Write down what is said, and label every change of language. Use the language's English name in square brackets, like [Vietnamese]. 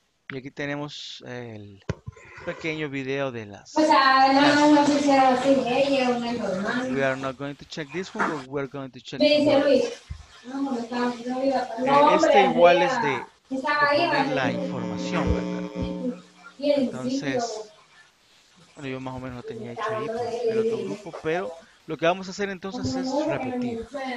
[Spanish] Y aquí tenemos el pequeño video de las... O sea, no, no, no sé si era así, ¿eh? Era un normal. [English] We are not going to check this one, but we are going to check... [Spanish] Me dice Luis. No, me estaba... No, iba a... Este igual es de poner la información, ¿verdad? Entonces, bueno, yo más o menos lo tenía hecho ahí, pues, en otro grupo, pero lo que vamos a hacer entonces es repetir.